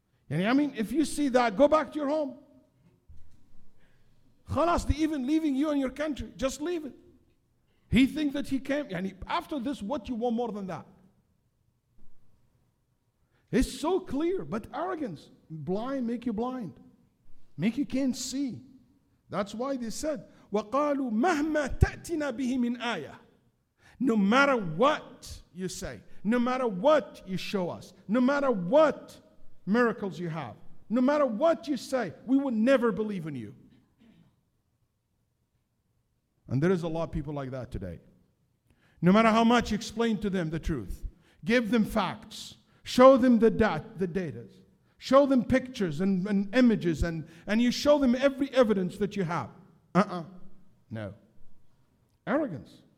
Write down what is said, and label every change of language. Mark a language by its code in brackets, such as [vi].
[en] And I mean, if you see that, go back to your home. Khalas, they even leaving you and your country. Just leave it. He thinks that he came. And after this, what you want more than that? It's so clear, but arrogance. Blind make you blind. Make you can't see. That's why they said, [ar] وَقَالُوا مَهْمَا تَأْتِنَا بِهِ مِنْ آيَةٍ. [en] No matter what you say, no matter what you show us, no matter what miracles you have, no matter what you say, we will never believe in you. And there is a lot of people like that today. No matter how much you explain to them the truth, give them facts, show them the data, show them pictures and images, and you show them every evidence that you have. No. Arrogance.